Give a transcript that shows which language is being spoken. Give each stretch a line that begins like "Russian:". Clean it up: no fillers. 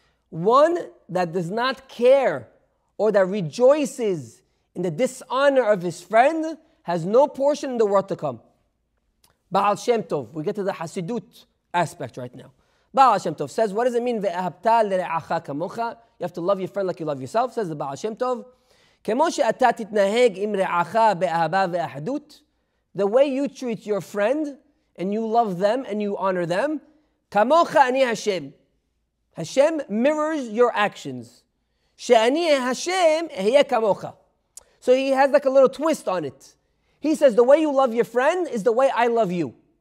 English: One that does not care or that rejoices in the dishonor of his friend has no portion in the world to come. Baal Shem Tov. We get to the Hasidut aspect right now. Baal Shem Tov says, what does it mean?
Hebrew: Ve'ahabta l're'acha kamocha.
English: You have to love your friend like you love yourself, says the Baal Shem Tov.
Hebrew: כמו שאתה תתנהג עם רעך באהבה ואחדות.
English: The way you treat your friend and you love them and you honor them,
Hebrew: kamocha ani Hashem.
English: Hashem mirrors your actions.
Hebrew: She'ani Hashem ehiyeh kamocha.
English: So he has like a little twist on it. He says the way you love your friend is the way I love you.